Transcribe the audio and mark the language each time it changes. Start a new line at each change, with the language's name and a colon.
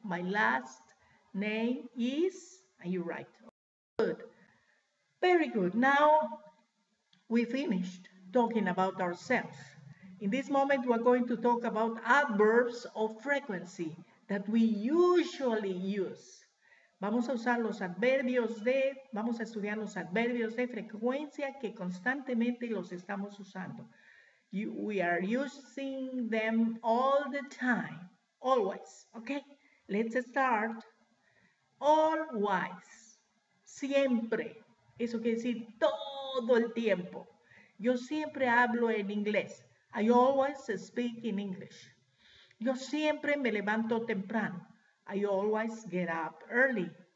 English: My last name is, and you write. Good. Very good. Now, we finished talking about ourselves. In this moment, we're going to talk about adverbs of frequency that we usually use.
Spanish: Vamos a usar los adverbios de, vamos a estudiar los adverbios de frecuencia que constantemente los estamos usando.
English: We are using them all the time, always, okay? Let's start.
Spanish: Always, siempre, eso quiere decir todo el tiempo. Yo siempre hablo en inglés.
English: I always speak in English.
Spanish: Yo siempre me levanto temprano.
English: I always get up early.